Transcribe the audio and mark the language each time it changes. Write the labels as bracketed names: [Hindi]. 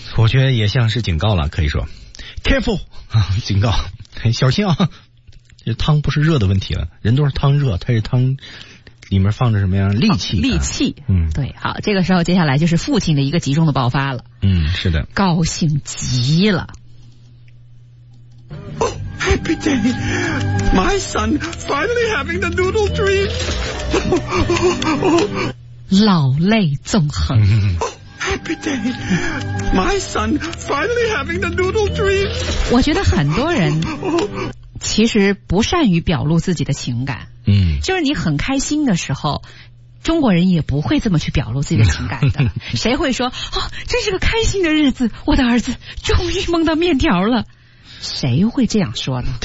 [Chinese] 我觉得也像是警告了，可以说。 Careful! 啊，警告。小心啊。这汤不是热的问题了，人都是汤热，它是汤里面放着什么样戾气、啊、戾气。嗯，对，好，这个时候接下来就是父亲的一个集中的爆发了。嗯，是的，高兴极了。 [English] Oh, happy day, my son finally having the noodle dream. [Chinese] 老泪纵横。 [English] Oh, happy day, my son finally having the noodle dream. [Chinese] 我觉得很多人其实不善于表露自己的情感，嗯，就是你很开心的时候，中国人也不会这么去表露自己的情感的。谁会说哦，这是个开心的日子，我的儿子终于梦到面条了，谁会这样说呢？